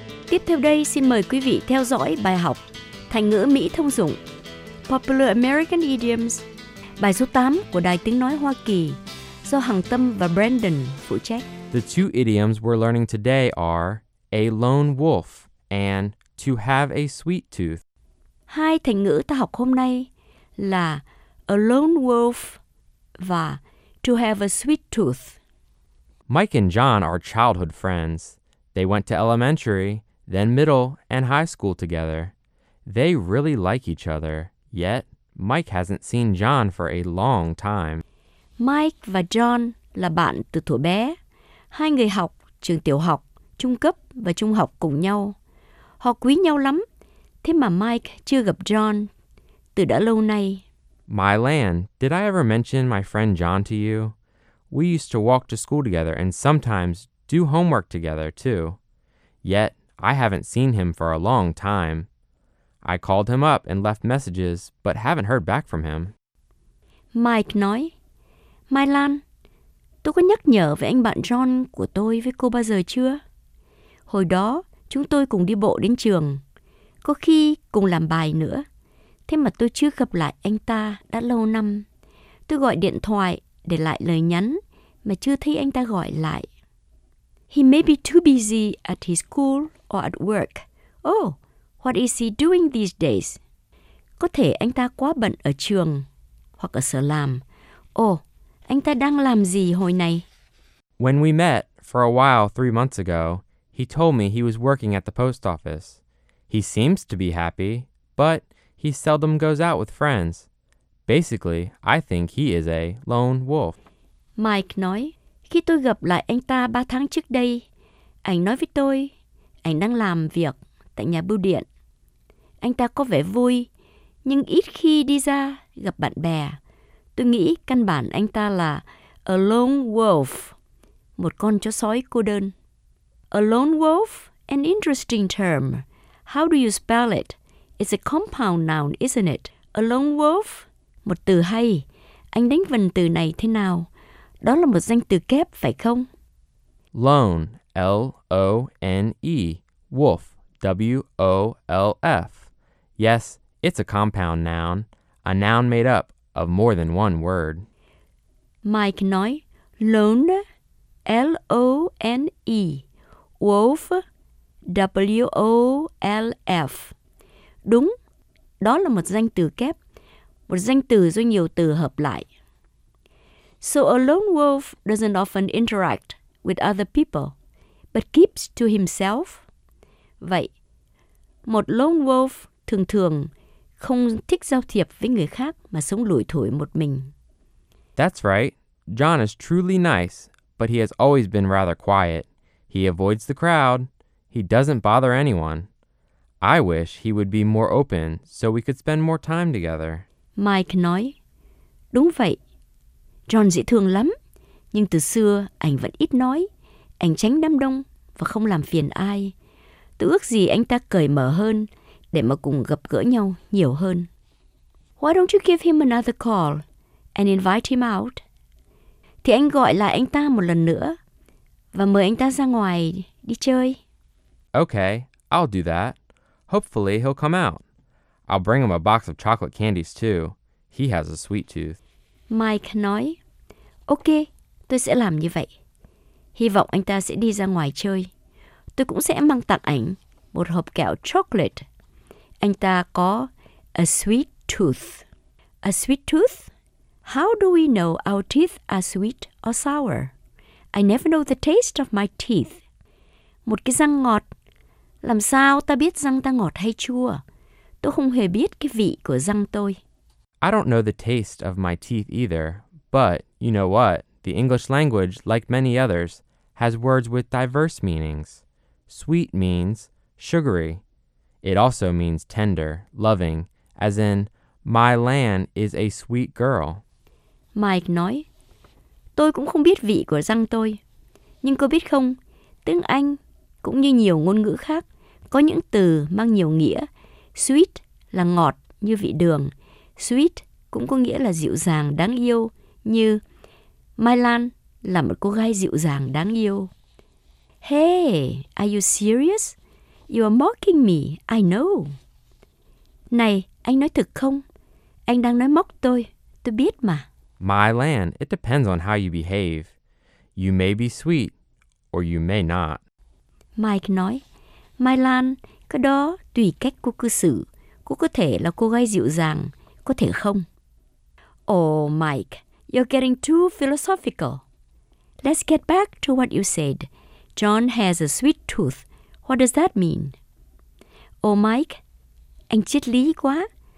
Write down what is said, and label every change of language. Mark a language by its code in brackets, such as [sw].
[vi] Tiếp theo đây xin mời quý vị theo dõi bài học thành ngữ Mỹ thông dụng Popular American Idioms, bài số 8 của Đài Tiếng Nói Hoa Kỳ do Hằng Tâm và Brandon phụ trách. [en] The two idioms we're learning today are a lone wolf and to have a sweet tooth. [vi] Hai thành ngữ ta học hôm nay là a lone wolf và [en] to have a sweet tooth. Mike and John are childhood friends. They went to elementary, then middle and high school together. They really like each other, yet Mike hasn't seen John for a long time. [vi] Mike và John là bạn từ thuở bé. Hai người học trường tiểu học, trung cấp và trung học cùng nhau. Họ quý nhau lắm, thế mà Mike chưa gặp John từ đã lâu nay. [en] My land, did I ever mention my friend John to you? We used to walk to school together and sometimes do homework together too. Yet I haven't seen him for a long time. I called him up and left messages, but haven't heard back from him. [vi] Mike nói, Mai Lan, tôi có nhắc nhở về anh bạn John của tôi với cô bao giờ chưa? Hồi đó, chúng tôi cùng đi bộ đến trường, có khi cùng làm bài nữa. Thế mà tôi chưa gặp lại anh ta đã lâu năm. Tôi gọi điện thoại để lại lời nhắn, mà chưa thấy anh ta gọi lại. [en] He may be too busy at his school or at work. Oh! What is he doing these days? [vi] Có thể anh ta quá bận ở trường hoặc ở sở làm. Oh, anh ta đang làm gì hồi này? [en] When we met for a while 3 months ago, he told me he was working at the post office. He seems to be happy, but he seldom goes out with friends. Basically, I think he is a lone wolf. [vi] Mike nói, khi tôi gặp lại anh ta 3 tháng trước đây, anh nói với tôi, anh đang làm việc tại nhà bưu điện. Anh ta có vẻ vui, nhưng ít khi đi ra gặp bạn bè. Tôi nghĩ căn bản anh ta là a lone wolf, một con chó sói cô đơn. [en] A lone wolf, an interesting term. How do you spell it? It's a compound noun, isn't it? A lone wolf, [vi] một từ hay. Anh đánh vần từ này thế nào? Đó là một danh từ kép, phải không? [en] Lone, L-O-N-E, wolf. W-O-L-F. Yes, it's a compound noun, a noun made up of more than one word. [vi] Mike nói, lone, L-O-N-E, wolf, W-O-L-F. Đúng, đó là một danh từ kép, một danh từ do nhiều từ hợp lại. [en] So a lone wolf doesn't often interact with other people, but keeps to himself. [vi] Vậy, một lone wolf thường thường không thích giao thiệp với người khác mà sống lủi thủi một mình. [en] That's right. John is truly nice, but he has always been rather quiet. He avoids the crowd. He doesn't bother anyone. I wish he would be more open so we could spend more time together. [vi] Mike nói, đúng vậy. John dễ thương lắm, nhưng từ xưa anh vẫn ít nói. Anh tránh đám đông và không làm phiền ai. Tôi ước gì anh ta cởi mở hơn để mà cùng gặp gỡ nhau nhiều hơn. [en] Why don't you give him another call and invite him out? [vi] Thì anh gọi lại anh ta một lần nữa và mời anh ta ra ngoài đi chơi. [en] Okay, I'll do that. Hopefully he'll come out. I'll bring him a box of chocolate candies too. He has a sweet tooth. [vi] Mike nói, okay, tôi sẽ làm như vậy. Hy vọng anh ta sẽ đi ra ngoài chơi. Tôi cũng sẽ mang tặng anh một hộp kẹo chocolate. Anh ta có [en] a sweet tooth. A sweet tooth? How do we know our teeth are sweet or sour? I never know the taste of my teeth. [vi] Một cái răng ngọt. Làm sao ta biết răng ta ngọt hay chua? Tôi không hề biết cái vị của răng tôi. [en] I don't know the taste of my teeth either. But you know what? The English language, like many others, has words with diverse meanings. Sweet means sugary. It also means tender, loving, as in, my land is a sweet girl. [vi] Mike nói, tôi cũng không biết vị của răng tôi. Nhưng cô biết không, tiếng Anh, cũng như nhiều ngôn ngữ khác, có những từ mang nhiều nghĩa. Sweet là ngọt như vị đường. Sweet cũng có nghĩa là dịu dàng, đáng yêu, như My Lan là một cô gái dịu dàng, đáng yêu. [en] Hey, are you serious? You are mocking me, I know. [vi] Này, anh nói thật không? Anh đang nói móc tôi biết mà. [en] My Lan, it depends on how you behave. You may be sweet, or you may not. [vi] Mike nói, My Lan, cái đó tùy cách cô cư xử. Cô có thể là cô gái dịu dàng, có thể không. [en] Oh, Mike, you're getting too philosophical. Let's get back to what you said. John has a sweet tooth. What does that mean? Oh, Mike, [vi] anh triết lý quá.